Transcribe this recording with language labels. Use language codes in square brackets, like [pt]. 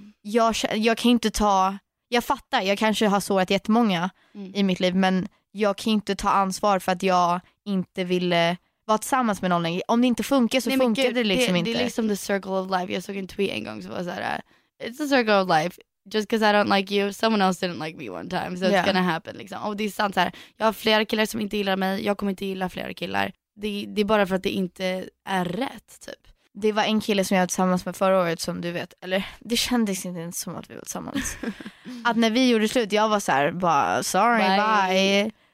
[sv] Jag kan inte ta... Jag fattar, jag kanske har sårat jättemånga i mitt liv, men jag kan inte ta ansvar för att jag inte ville vara tillsammans med någon längre. Om det inte funkar så Det är liksom [en] the circle of life. [sv] Jag såg en tweet en gång som var såhär, [en] it's the circle of life. Just because I don't like you, someone else didn't like me one time. So it's gonna happen. [sv] Liksom. Och det är sant såhär, jag har flera killar som inte gillar mig, jag kommer inte gilla flera killar. Det är bara för att det inte är rätt, typ. Det var en kille som jag var tillsammans med förra året, som du vet. Eller, det kändes inte ens som att vi var tillsammans. Att när vi gjorde slut, jag var så här, bara, [en] sorry, bye.